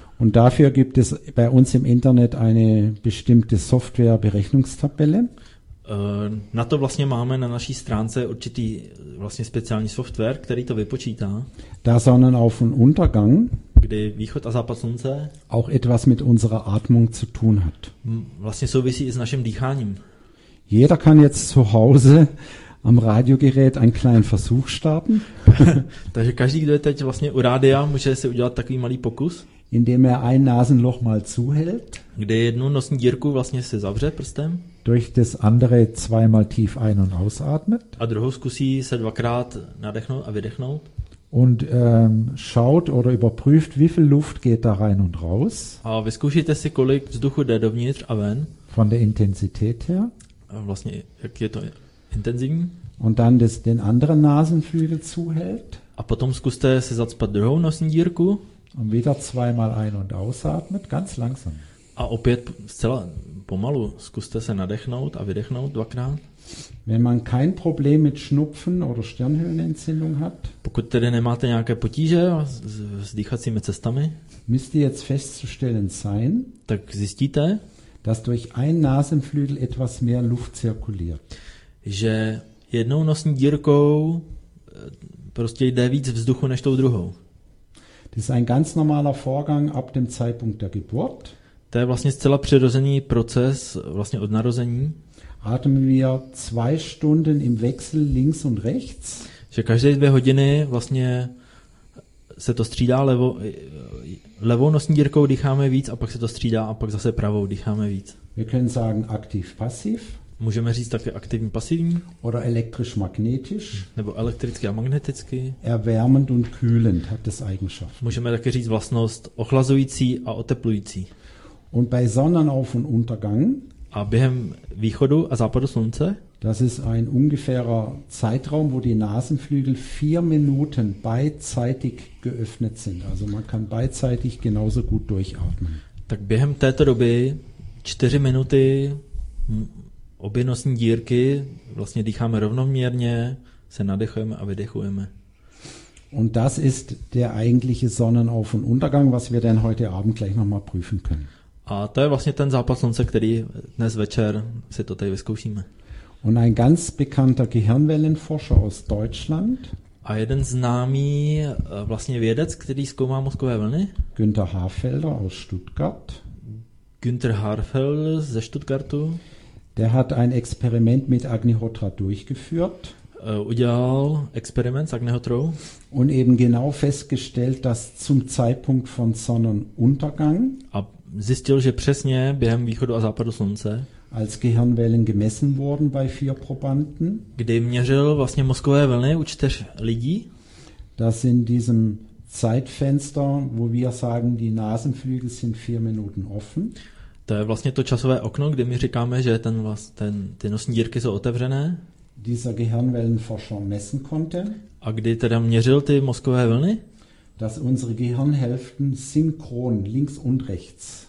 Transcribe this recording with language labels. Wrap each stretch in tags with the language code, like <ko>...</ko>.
<de>Und dafür gibt es bei uns im Internet eine bestimmte Software-Berechnungstabelle.</de> <cs>Na to vlastně máme na naší stránce určitý vlastně speciální software, který to vypočítá.</cs> <de>Da Sonnenauf- und Untergang.</de> <cs>Kdy východ a západ slunce</cs> <de>auch etwas mit unserer Atmung zu tun hat.</de> <cs>Vlastně souvisí i s naším dýcháním.</cs> <de>Jeder kann jetzt zu Hause am Radiogerät einen kleinen Versuch starten.</de> <cs>Takže každý, kdo je teď vlastně u rádia, může si udělat takový malý pokus.</cs> <de>Indem er ein Nasenloch mal zuhält.</de> <cs>Kde jednu nosní dírku vlastně si zavře prstem.</cs> <de>Durch das andere zweimal tief ein- und ausatmet.</de> <cs>A druhou zkusí se dvakrát nadechnout a vydechnout.</cs> <de>Und schaut oder überprüft, wie viel Luft geht da rein und raus.</de> <cs>A vyzkoušíte si, kolik vzduchu jde dovnitř a ven.</cs> <de>Von der Intensität her.</de> <cs>A vlastně, jak je to intenzivní.</cs> <de>Und dann den anderen Nasenflügel zuhält.</de> <cs>A potom zkuste si zacpat druhou nosní dírku.</cs> <de>Und wieder zweimal ein- und ausatmet, ganz langsam.</de> <cs>A opět zcela pomalu zkuste se nadechnout a vydechnout dvakrát.</cs> <de>Wenn man kein Problem mit Schnupfen oder Stirnhöhlenentzündung hat,</de> <cs>pokud tedy nemáte nějaké potíže s dýchacími cestami,</cs> <de>müsste jetzt festzustellen sein,</de> <cs>tak zjistíte,</cs> <de>dass durch ein Nasenflügel etwas mehr Luft zirkuliert.</de> <cs>Že jednou nosní dírkou prostě jde víc vzduchu než tou druhou.</cs> <de>Das ist ein ganz normaler Vorgang ab dem Zeitpunkt der Geburt.</de> <cs>To je vlastně zcela přirozený proces vlastně od narození.</cs> <de>Atmen wir 2 Stunden im Wechsel links und rechts.</de> <cs>Že každé 2 hodiny vlastně se to střídá levou nosní dírkou dýcháme víc a pak se to střídá a pak zase pravou dýcháme víc.</cs> <de>Wir können sagen aktiv passiv.</de> <cs>Můžeme říct také aktivní pasivní.</cs> <de>Oder elektrisch magnetisch.</de> <cs>Nebo elektricky a magneticky.</cs> <de>Erwärmend und kühlend hat das Eigenschaft.</de> <cs>Můžeme také říct vlastnost ochlazující a oteplující.</cs> <de>Und bei Sonnenauf- und Untergang.</de> <cs>A během východu a západu slunce.</cs> <de>Das ist ein ungefährer Zeitraum, wo die Nasenflügel 4 Minuten beidseitig geöffnet sind. Also man kann beidseitig genauso gut durchatmen.</de> <cs>Tak během této doby 4 minuty obě nosní dírky vlastně dýcháme rovnoměrně, se nadechujeme a vydechujeme.</cs> <de>Und das ist der eigentliche Sonnenauf- und Untergang, was wir denn heute Abend gleich noch mal prüfen können.</de> <cs>A to je vlastně ten západ slunce, který dnes večer si to tady vyzkoušíme.</cs> <de>Und ein ganz bekannter Gehirnwellenforscher aus Deutschland.</de> <cs>A jeden známý vlastně vědec, který zkoumá mozkové vlny.</cs> <de>Günther Haarfelder aus Stuttgart.</de> <cs>Günther Haarfelder ze Stuttgartu.</cs> <de>Der hat ein Experiment mit Agnihotra durchgeführt.</de> <cs>Udělal experiment s Agnihotrou.</cs> <de>Und eben genau festgestellt, dass zum Zeitpunkt von Sonnenuntergang.</de> <cs>A zjistil, že přesně během východu a západu slunce.</cs> <de>Als Gehirnwellen gemessen wurden bei 4 Probanden.</de> <cs>Kdy měřil vlastně mozkové vlny u 4 lidí.</cs> <de>Das in diesem Zeitfenster, wo wir sagen, die Nasenflügel sind 4 Minuten offen.</de> <cs>To je vlastně to časové okno, kdy my říkáme, že ty nosní dírky jsou otevřené.</cs> <de>Dieser Gehirnwellenforscher messen konnte.</de> <cs>A kdy teda měřil ty mozkové vlny?</cs> <de>Dass unsere Gehirnhälften synchron links und rechts.</de>